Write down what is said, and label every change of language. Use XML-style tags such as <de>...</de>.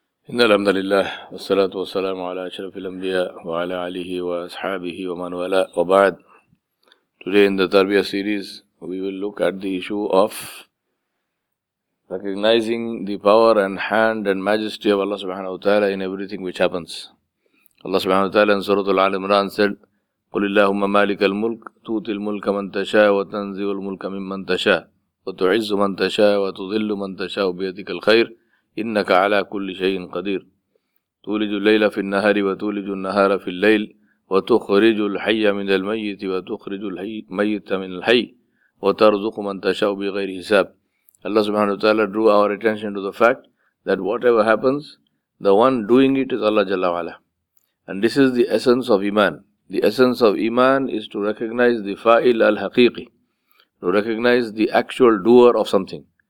<ar>ان الحمد لله والصلاه والسلام على اشرف الانبياء وعلى اله واصحابه ومن والاه وبعد.</ar> <en>Today in the Tarbiyah series we will look at the issue of recognizing the power and hand and majesty of Allah subhanahu wa ta'ala in everything which happens. Allah subhanahu wa ta'ala in Suratul Al Imran said,</en> <ar>قل اللهم مالك الملك تؤتي الملك من تشاء وتنزع الملك ممن تشاء وتعز من تشاء وتذل من تشاء بيدك الخير إنك على كل شيء قدير تولج الليل في النهار وتولج النهار في الليل وتخرج الحي من الميت وتخرج الميت من الحي وترزق من تشاء بغير حساب.</ar> <en>Allah subhanahu wa ta'ala drew our attention to the fact that whatever happens, the one doing it is Allah jalla wa'ala. And this is the essence of Iman. The essence of Iman is to recognize the fa'il al-haqiqi, to recognize the actual doer of something.</en>